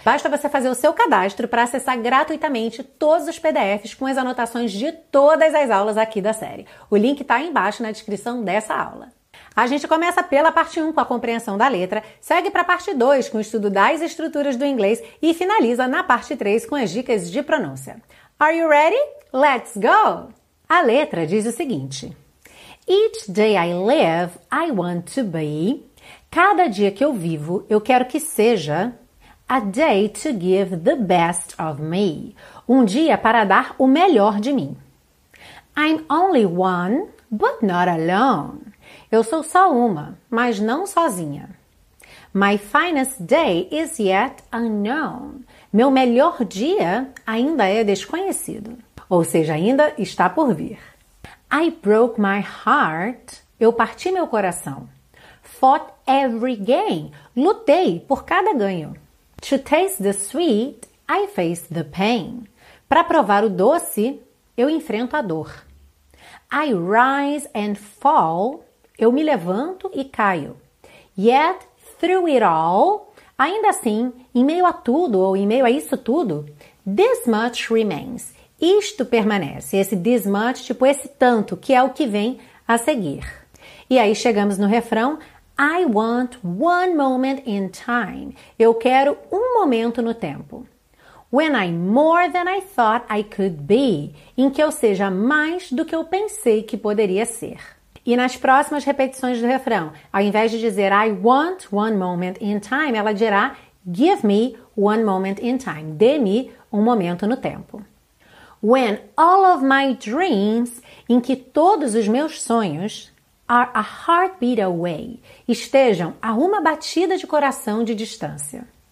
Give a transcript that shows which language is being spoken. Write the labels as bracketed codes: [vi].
[pt] Basta você fazer o seu cadastro para acessar gratuitamente todos os PDFs com as anotações de todas as aulas aqui da série. O link está aí embaixo na descrição dessa aula. A gente começa pela parte 1 com a compreensão da letra, segue para a parte 2 com o estudo das estruturas do inglês e finaliza na parte 3 com as dicas de pronúncia. [en] Are you ready? Let's go! [pt] A letra diz o seguinte... [en] Each day I live, I want to be. [pt] Cada dia que eu vivo, eu quero que seja [en] a day to give the best of me. [pt] Um dia para dar o melhor de mim. [en] I'm only one, but not alone. [pt] Eu sou só uma, mas não sozinha. [en] My finest day is yet unknown. [pt] Meu melhor dia ainda é desconhecido. Ou seja, ainda está por vir. [en] I broke my heart. [pt] Eu parti meu coração. [en] Fought every gain. [pt] Lutei por cada ganho. [en] To taste the sweet, I face the pain. [pt] Para provar o doce, eu enfrento a dor. [en] I rise and fall. [pt] Eu me levanto e caio. [en] Yet, through it all, [pt] ainda assim, em meio a tudo ou em meio a isso tudo, [en] this much remains. [pt] Isto permanece, esse this much, tipo esse tanto, que é o que vem a seguir. E aí chegamos no refrão, [en] I want one moment in time. [pt] Eu quero um momento no tempo. [en] When I'm more than I thought I could be. [pt] Em que eu seja mais do que eu pensei que poderia ser. E nas próximas repetições do refrão, ao invés de dizer [en] I want one moment in time, [pt] ela dirá [en] give me one moment in time. [pt] Dê-me um momento no tempo. [en] When all of my dreams, [pt] em que todos os meus sonhos, [en] are a heartbeat away, [pt] estejam a uma batida de coração de distância.